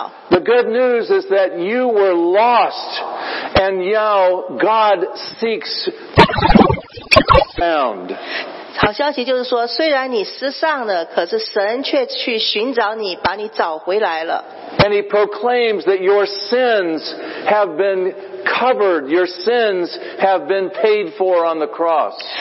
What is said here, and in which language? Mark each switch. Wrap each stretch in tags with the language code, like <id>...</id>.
<en>The good news is that you were lost, and now God seeks to be found.</en> <zh>好消息就是说, 虽然你失丧了, 可是神却去寻找你, 把你找回来了。</zh> <en>And he proclaims that your sins have been covered, your sins have been paid for on the cross.</en>